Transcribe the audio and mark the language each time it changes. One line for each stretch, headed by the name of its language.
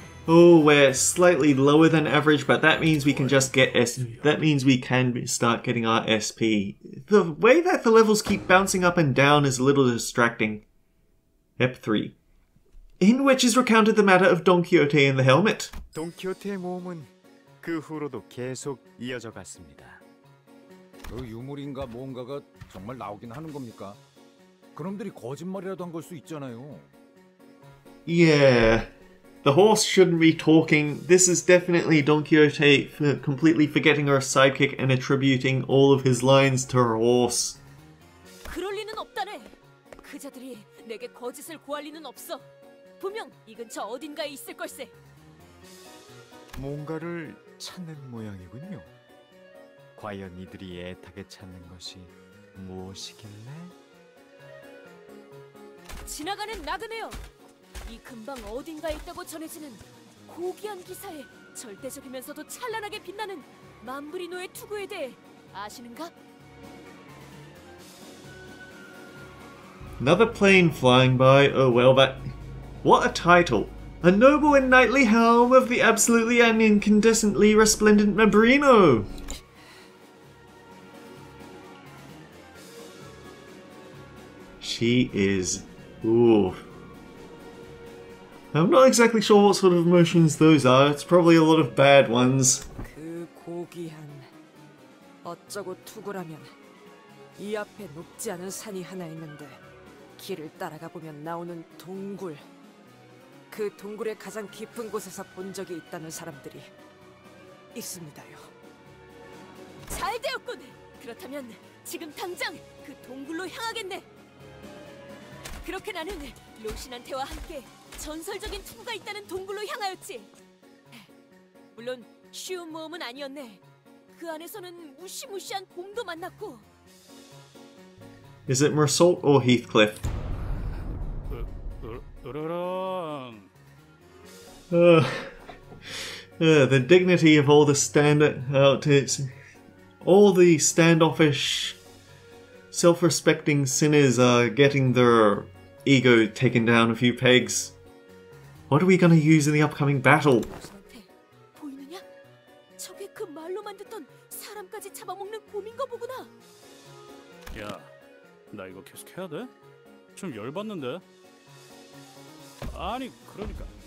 English: Oh, we're slightly lower than average, but that means we can just get that means we can start getting our SP. The way that the levels keep bouncing up and down is a little distracting. Ep 3. In which is recounted the matter of Don Quixote and the helmet.
Korean: Don Quixote 몸은 그 후로도 계속 이어져 갔습니다. 그 유물인가 뭔가가 정말 나오긴 하는 겁니까? 그놈들이 거짓말이라도 한 걸 수 있잖아요.
English: Yeah. The horse shouldn't be talking. This is definitely Don Quixote completely forgetting her sidekick and attributing all of his lines to her horse.
Korean: 그럴 리는 없다네. 그자들이 내게 거짓을 구할 리는 없어. 분명 이 근처 어딘가에 있을 걸세. 뭔가를 찾는 모양이군요. 과연 이들이 애타게 찾는 것이 무엇이길래? 지나가는 나그네요. 이 근방 어딘가에 있다고 전해지는 고귀한 기사에 절대적이면서도 찬란하게 빛나는 만브리노의 투구에 대해 아시는가?
English: Another plane flying by. Oh well, that... What a title. A noble and knightly helm of the absolutely and incandescently resplendent Mabrino. She is... Ooh. I'm not exactly sure what sort of emotions those are. It's probably a lot of bad ones.
Korean: 그 고귀한... 어쩌고 투구라면 이 앞에 높지 않은 산이 하나 있는데 길을 따라가 보면 나오는 동굴. 그 동굴의 가장 깊은 곳에서 본 적이 있다는 사람들이 있습니다요. 잘 되었군! 그렇다면 지금 당장 그 동굴로 향하겠네! 그렇게 나는 로신한테와 함께 전설적인 투구가 있다는 동굴로 향하였지! 물론 쉬운 모험은 아니었네. 그 안에서는 무시무시한 곰도 만났고.
English: Is it Mersault or Heathcliff?
Korean: 으르렁.
English: The dignity of all the standoffish, self-respecting sinners are getting their ego taken down a few pegs. What are we going to use in the upcoming battle?
Korean: 보이느냐? 저게 그 말로 만듣던 사람까지 잡아먹는 곰인 거 보구나. 야. 나 이거 계속 해야 돼? 좀 열받는데? 아니, 그러니까.